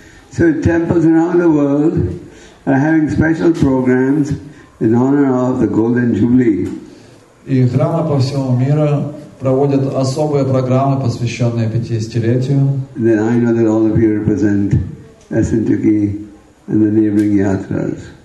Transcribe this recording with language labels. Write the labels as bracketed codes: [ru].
[en] So temples around the world are having special programs in honor of the Golden Jubilee. [ru] И храмы по всему миру проводят особые программы, посвященные 50-летию. [en] Then I know that all of you represent Asantuki and the neighboring yatras.